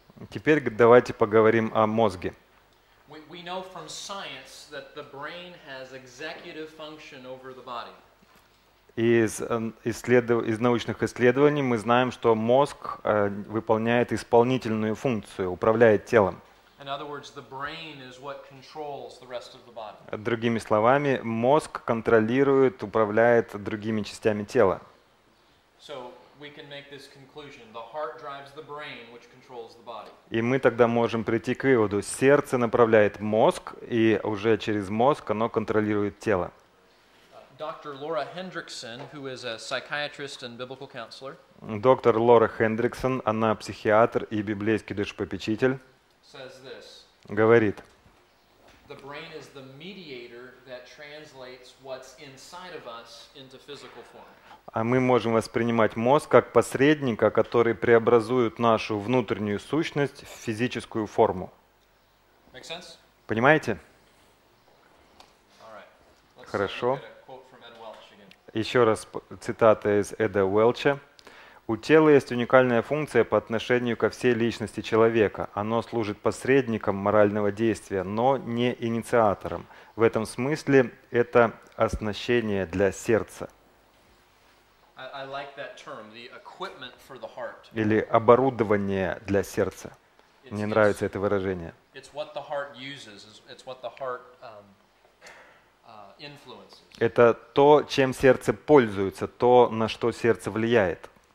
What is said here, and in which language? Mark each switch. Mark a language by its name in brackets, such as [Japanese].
[Russian] Теперь давайте поговорим о мозге. [English] We know from science that the brain has executive function over the body. [Russian] Из научных исследований мы знаем, что мозг выполняет исполнительную функцию, управляет телом. [English] In other words, the brain is what controls the rest of the body. [Russian] Другими словами, мозг контролирует, управляет другими частями тела. [English] So we can make this conclusion: the heart drives the brain, which controls the body. [Russian] И мы тогда можем прийти к выводу: сердце направляет мозг, и уже через мозг оно контролирует тело. [English] Dr. Laura Hendrickson, who is a psychiatrist and biblical counselor. [Russian] Доктор Лора Хендриксон, она психиатр и библейский душепопечитель. [English] Says this. [Russian] Говорит. [English] The brain is the mediator that translates what's inside of us into physical form. [Russian] А мы можем воспринимать мозг как посредника, который преобразует нашу внутреннюю сущность в физическую форму. [English] Make sense? [Russian] Понимаете? [English] All right. Let's [Russian] Хорошо. [English] Look at a quote from Ed Welch again. [Russian] Еще раз цитата из Эда Уэлча. «У тела есть уникальная функция по отношению ко всей личности человека. Оно служит посредником морального действия, но не инициатором. В этом смысле это оснащение для сердца». [English] I like that term, the equipment for the heart. [Russian] Или оборудование для сердца. Мне нравится это выражение. [English] It's what the heart uses, it's what the heart influences. [Russian] Это то, чем сердце пользуется, то, на что сердце влияет.